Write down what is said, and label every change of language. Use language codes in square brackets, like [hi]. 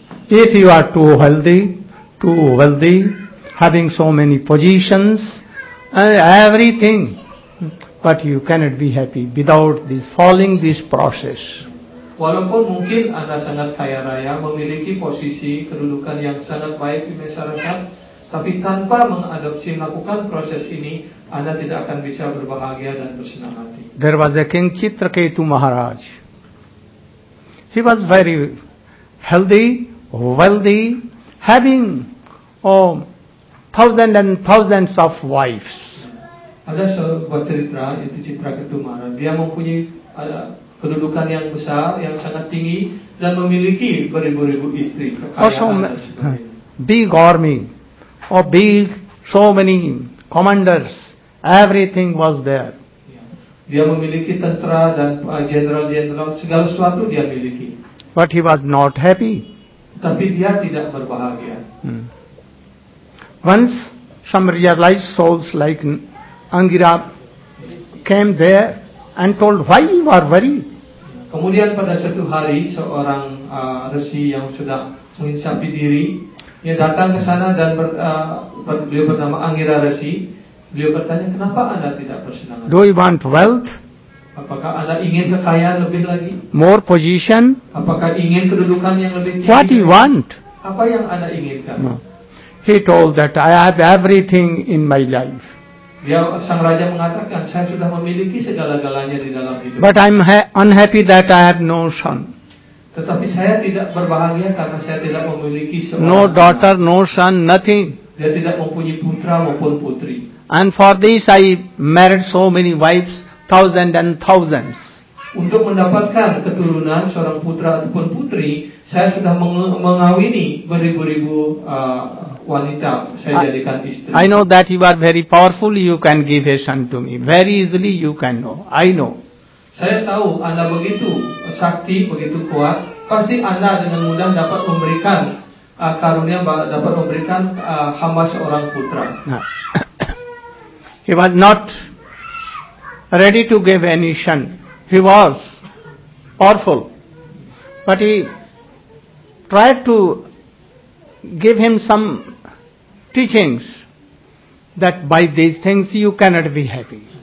[en] If you are too wealthy, having so many positions, everything, but you cannot be happy without this following this process. [id] Walaupun mungkin Anda sangat kaya raya, memiliki posisi kedudukan yang sangat baik di masyarakat, tapi tanpa mengadopsi, melakukan proses ini, Anda tidak akan bisa berbahagia dan bersenang hati. [en] There was a King Chitraketu Maharaj. He was very healthy, wealthy, having thousands and thousands of wives. [id] Ada sebuah cerita, itu Chitraketu Maharaj. Dia mempunyai kedudukan yang besar, yang sangat tinggi, dan memiliki beribu-ribu istri, kekayaan dan sebagainya. [en] Big army. Oh, big, so many commanders, everything was there. [id] Dia memiliki tentara dan general, segala sesuatu dia miliki. [en] But he was not happy. [id] Tapi dia tidak berbahagia. [en] Once some realized souls like Angira came there and told why you are worried. [id] Kemudian pada satu hari seorang resi yang sudah menginsapi diri, dia datang ke sana dan beliau bernama Angira Resi. Beliau bertanya, kenapa Anda tidak bersenang? [en] Do you want wealth? [id] Apakah Anda ingin kekayaan lebih lagi? [en] More position? [id] Apakah ingin kedudukan yang lebih tinggi? [en] What do you want? [id] Apa yang Anda inginkan? [en] No. He told that I have everything in my life. [id] Dia, sang raja mengatakan, saya sudah memiliki segala-galanya di dalam hidup. [en] But I'm unhappy that I have no son. [id] Tetapi saya tidak berbahagia karena saya tidak memiliki seorang. [en] No daughter, no son, nothing. [id] Dia tidak mempunyai putra maupun putri. [en] And for this I married so many wives, thousands and thousands. [id] Untuk mendapatkan keturunan seorang putra ataupun putri, saya sudah mengawini beribu-ribu wanita. Saya jadikan istri. [en] I know that you are very powerful. You can give a son to me very easily. You can know. I know. [id] Saya tahu Anda begitu sakti, begitu kuat. Pasti Anda dengan mudah dapat memberikan karunia, dapat memberikan hamba seorang putra. [en] He was not ready to give any son. He was powerful, but he tried to give him some teachings that by these things you cannot be happy.